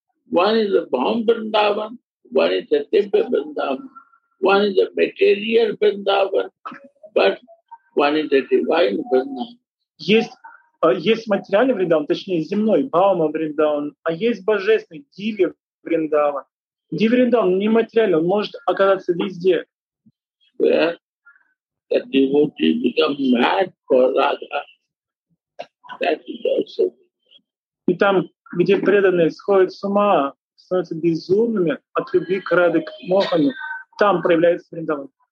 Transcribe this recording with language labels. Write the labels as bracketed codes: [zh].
[en] one is a bomb Vrindavan, one is a Tibet Vrindavan, one is a material Vrindavan, but one is a divine Vrindavan. [ru] Есть материальный Вриндаван, точнее земной, Баума Вриндаван, а есть божественный, Диви Вриндаван. Диви Вриндаван не материальный, он может оказаться везде. [en] That devotee become mad for Radha. That is also. [ru] И там, где преданные сходят с ума, становятся безумными от любви к Раде, к Мохану, там проявляется Вриндаван.